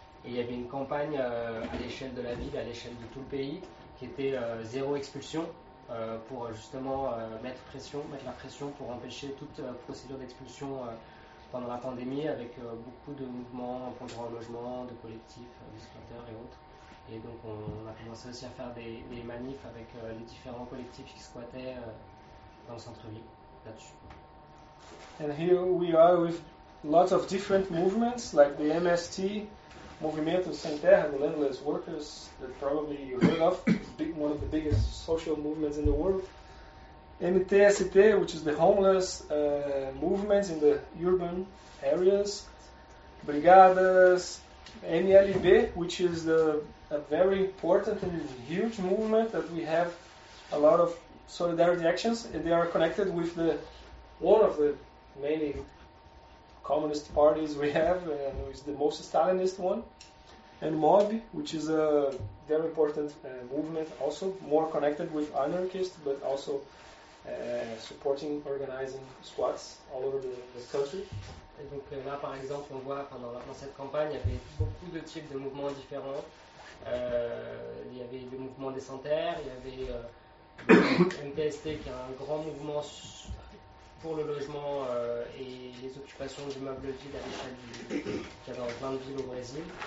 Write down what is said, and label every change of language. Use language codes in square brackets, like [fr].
[fr] Et il y avait une campagne à l'échelle de la ville, à l'échelle de tout le pays, qui était zéro expulsion, pour justement mettre la pression pour empêcher toute procédure d'expulsion pendant la pandémie, avec beaucoup de mouvements pour le droit au logement, de collectifs, de squatteurs et autres. Et donc on a commencé aussi à faire des manifs avec les différents collectifs qui squattaient dans le centre-ville, là-dessus. [en] And here we are with lots of different movements, like the MST, Movimento Sem Terra, the Landless Workers, that probably you heard of, one of the biggest social movements in the world. MTST, which is the homeless movements in the urban areas, Brigadas, MLB, which is a very important and huge movement that we have a lot of solidarity actions, and they are connected with one of the many communist parties we have, and is the most Stalinist one, and MOB, which is a very important movement, also more connected with anarchists, but also supporting, organizing squats all over the country. [fr] Et donc là, par exemple, on voit dans cette campagne, il y avait beaucoup de types de mouvements différents. Il y avait le mouvement des sans-terre, il y avait MTST, qui est un grand mouvement pour le logement et les occupations d'immeubles vides à l'échelle qu'il y a dans plein de villes au Brésil.